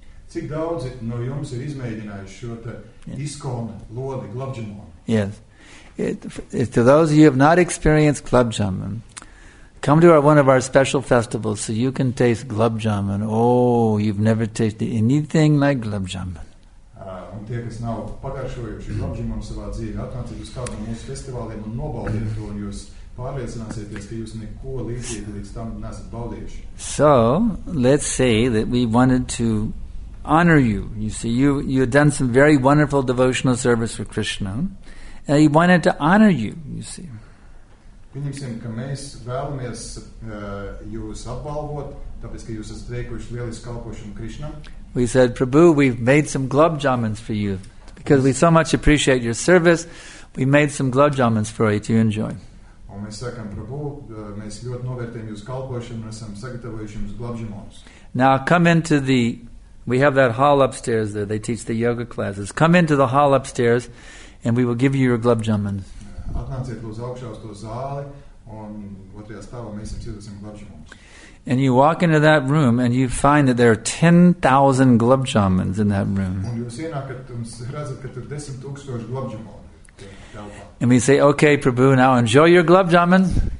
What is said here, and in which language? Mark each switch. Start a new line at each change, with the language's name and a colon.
Latvian: Cik daudz no jums ir izmēģinājuši šo te ISKCON lodi, gulab jamun?
English: Yes. It, to those of you who have not experienced gulab jamun, come to our, one of our special festivals so you can taste gulab jamun. Oh, you've never tasted anything like gulab jamun.
Latvian: Un tie, kas nav pagaršojuši gulab jamun savā dzīvē, atnāciet uz kādu mūsu festivāliem un nobaudiet to, un jūs pārliecināsieties, ka jūs neko līdzīgu līdz tam nesat baudījuši.
English: So, let's say that we wanted to honor you. You see, you have done some very wonderful devotional service for Krishna. And he wanted to honor you, you see.
Latvian: Pieņemsim, ka mēs vēlamies jūs apbalvot, tāpēc, ka jūs esat veikuši lielisku kalpošanu Krishnam.
English: We said, Prabhu, we've made some gulab jamuns for you. Because we so much appreciate your service, we made some gulab jamuns for you to enjoy.
Latvian: Un mēs sakam, Prabhu, mēs ļoti novērtējam jūsu kalpošanu un esam sagatavojuši jums gulab jamuns.
English: Now come into the, we have that hall upstairs there, they teach the yoga classes. Come into the hall upstairs, and we will give you your gulab jamuns.
Latvian: Atnāciet uz augšā uz to zāli, un otrajā stāvā mēs jums iedosim gulab jamuns.
English: And you walk into that room, and you find that there are 10,000 gulab jamuns in that room.
Latvian: Un jūs ienākat, un redzat, ka tur 10,000 gulab jamuns.
English: And we say, okay, Prabhu, now enjoy your gulab jamun.